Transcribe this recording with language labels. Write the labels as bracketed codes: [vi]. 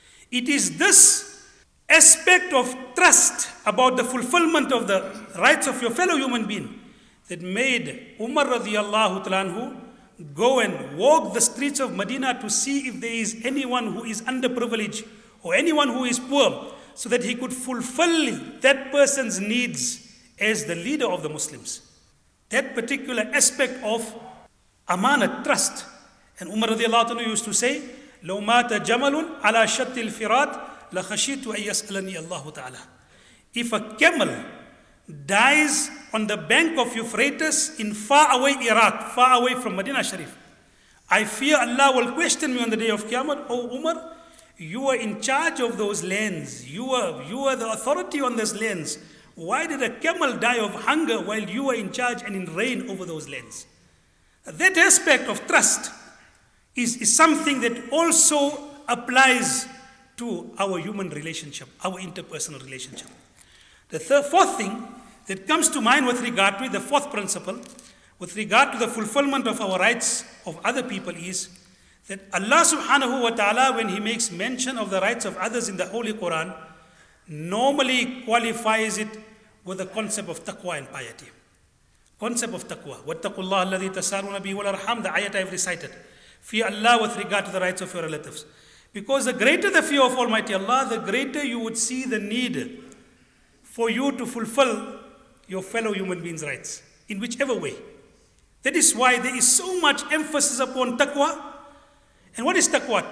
[en] It is this aspect of trust about the fulfillment of the rights of your fellow human being that made Umar radiallahu ta'ala anhu go and walk the streets of Medina to see if there is anyone who is underprivileged or anyone who is poor, so that he could fulfill that person's needs as the leader of the Muslims. That particular aspect of amanat, trust. And Umar radiallahu anhu used to say, [ar] لو مات جمل على شط الفرات لخشيت أن يسألني الله تعالى. [en] If a camel dies on the bank of Euphrates in far away Iraq, far away from Medina Sharif, I fear Allah will question me on the day of Qiyamah. Oh Umar, you are in charge of those lands. You are the authority on those lands. Why did a camel die of hunger while you were in charge and in reign over those lands? That aspect of trust is something that also applies to our human relationship, our interpersonal relationship. The fourth thing that comes to mind with regard to it, the fourth principle, with regard to the fulfillment of our rights of other people is that Allah subhanahu wa ta'ala, when he makes mention of the rights of others in the Holy Quran, normally qualifies it with the concept of taqwa and piety. Concept of taqwa. [ar] وَاتَّقُوا اللَّهَ الَّذِي تَسَارُونَ بِهِ وَالْأَرْحَامِ. [en] The ayat I've recited. Fear Allah with regard to the rights of your relatives. Because the greater the fear of Almighty Allah, the greater you would see the need for you to fulfill your fellow human beings' rights, in whichever way. That is why there is so much emphasis upon taqwa. And what is taqwa?